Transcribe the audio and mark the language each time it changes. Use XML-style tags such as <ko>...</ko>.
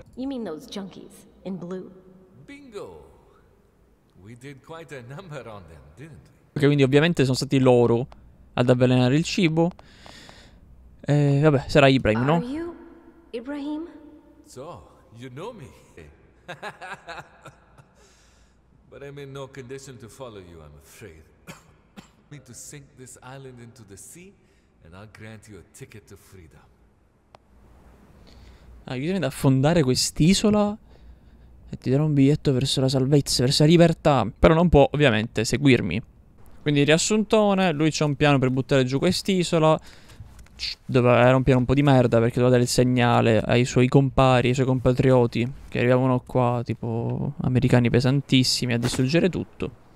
<en>You mean those junkies in blue? Bingo. We did quite a number on them, didn't we?</en> <it>Ok, quindi ovviamente sono stati loro ad avvelenare il cibo. Vabbè, sarà Ibrahim,</it> <en>Are</en> <it>no?</it> <en>you Ibrahim? So, you know me. But I'm in no condition to follow you, I'm afraid. Me to sink this island into the sea, and I'll grant you a ticket to freedom.</en> <it>Aiutami ad affondare quest'isola e ti darò un biglietto verso la salvezza, verso la libertà. Però non può ovviamente seguirmi. Quindi riassuntone, lui c'ha un piano per buttare giù quest'isola. Doveva era un piano un po' di merda perché doveva dare il segnale ai suoi compari, ai suoi compatrioti che arrivavano qua, tipo americani pesantissimi, a distruggere tutto.</it>